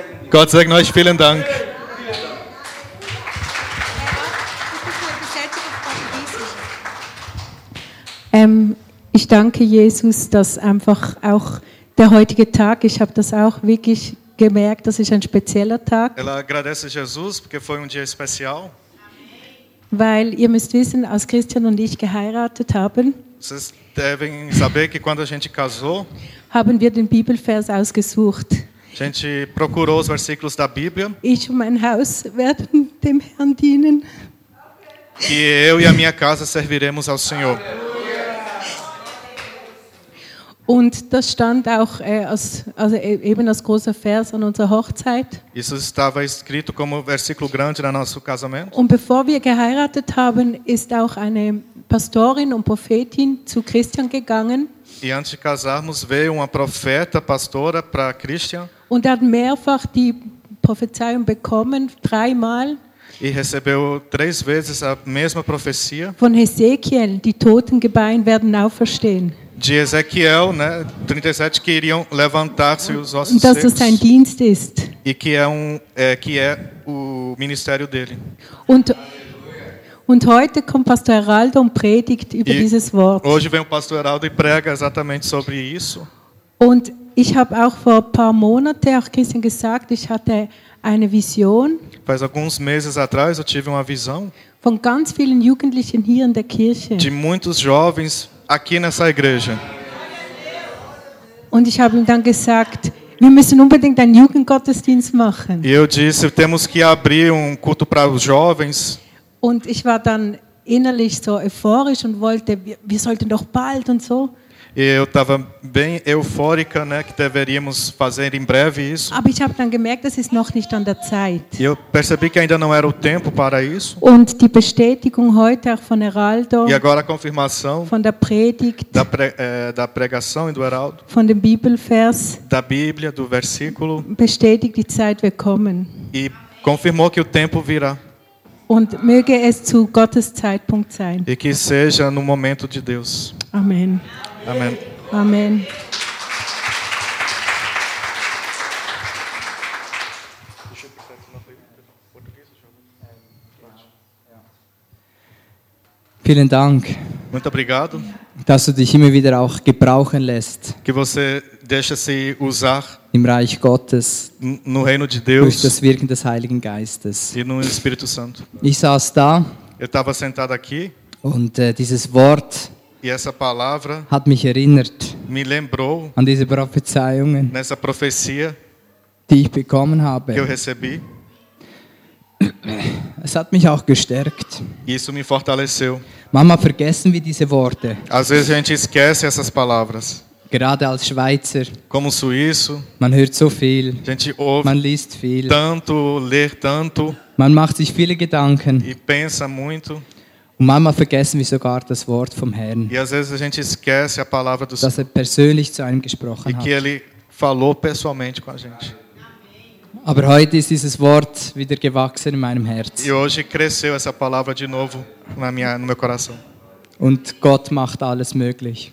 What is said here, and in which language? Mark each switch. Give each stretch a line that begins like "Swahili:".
German: Gott segne euch, vielen Dank. Ich danke Jesus, dass einfach auch der heutige Tag, ich habe das auch wirklich gemerkt, das ist ein spezieller Tag.
Portuguese: Ela agradece Jesus, porque foi dia especial.
German: Weil ihr müsst wissen, als Christian und ich geheiratet haben,
Portuguese: vocês devem saber que quando a gente casou,
German: haben wir den Bibelvers ausgesucht.
Portuguese: gente procurou os versículos da Bíblia.
German: Ich und mein Haus werden dem Herrn dienen.
Portuguese: E eu e a minha casa serviremos ao Senhor.
German: Und das stand auch als eben als großer Vers an unserer Hochzeit.
Portuguese: Isso estava escrito como versículo grande no nosso casamento.
German: Und bevor wir geheiratet haben, ist auch eine Pastorin und Prophetin zu Christian gegangen.
Portuguese: E antes de casarmos veio uma profeta pastora para Christian.
German: Und hat mehrfach die Prophezeiung bekommen, dreimal.
Portuguese: E recebeu três vezes a mesma profecia.
German: Von Ezequiel, die toten Gebeine werden auferstehen.
Portuguese: De Ezequiel, né, 37, que iriam levantar-se os ossos
German: secos. Dass sein Dienst ist.
Portuguese: E que é que é o ministério dele.
German: Und heute kommt Pastor Heraldo und predigt über dieses Wort.
Portuguese: Hoje vem o Pastor Heraldo e prega exatamente sobre isso.
German: Und ich habe auch vor ein paar Monaten auch Christian gesagt, ich hatte eine Vision.
Portuguese: Faz alguns meses atrás eu tive uma visão.
German: Von ganz vielen Jugendlichen hier in der Kirche.
Portuguese: De muitos jovens aqui nessa igreja.
German: Und ich habe ihm dann gesagt, wir müssen unbedingt einen Jugendgottesdienst machen.
Portuguese: E eu disse, temos que abrir um culto para os jovens.
German: Und ich war dann innerlich so euphorisch und wollte, wir sollten doch bald und so.
Portuguese: Eu estava bem eufórica, né, que deveríamos fazer em breve isso.
German: Aber ich habe dann gemerkt, das ist noch nicht an der Zeit.
Portuguese: Eu percebi que ainda não era o tempo para isso.
German: Und die Bestätigung heute auch von Heraldo.
Portuguese: E agora a confirmação.
German: Von der Predigt.
Portuguese: Da pregação e do Heraldo.
German: Von dem Bibelvers.
Portuguese: Da Bíblia, do versículo.
German: Bestätigt die Zeit wird kommen.
Portuguese: E confirmou que o tempo virá.
German: Und möge es zu Gottes Zeitpunkt sein.
Portuguese: E que seja no momento de Deus. Amen. Amen. Amen.
German: Vielen Dank.
Portuguese: Muito obrigado.
German: Dass du dich immer wieder auch gebrauchen lässt.
Portuguese: Que você deixa se usar.
German: Im Reich Gottes.
Portuguese: No reino de Deus.
German: Durch das Wirken des Heiligen Geistes.
Portuguese: E no Espírito Santo.
German: Ich saß da.
Portuguese: Eu estava sentado aqui.
German: Und dieses Wort.
Portuguese: E essa palavra
German: hat mich erinnert,
Portuguese: me lembrou
German: an diese Prophezeiungen,
Portuguese: nessa profecia,
German: die ich bekommen habe.
Portuguese: Que eu recebi.
German: Es hat mich auch gestärkt.
Portuguese: Isso me fortaleceu.
German: Manchmal vergessen wir diese Worte.
Portuguese: Às vezes a gente esquece essas palavras.
German: Gerade als Schweizer.
Portuguese: Como suíço.
German: Man hört so viel.
Portuguese: A gente ouve.
German: Man liest viel.
Portuguese: Tanto, ler tanto.
German: Man macht sich viele Gedanken.
Portuguese: E pensa muito.
German: Und manchmal vergessen wir sogar das Wort vom Herrn.
Portuguese: E às vezes a gente esquece a palavra do Senhor.
German: Dass er persönlich zu einem gesprochen hat.
Portuguese: E que ele falou pessoalmente com a gente.
German: Aber heute ist dieses Wort wieder gewachsen in meinem Herz.
Portuguese: E hoje cresceu essa palavra de novo no meu coração.
German: Und Gott macht alles möglich.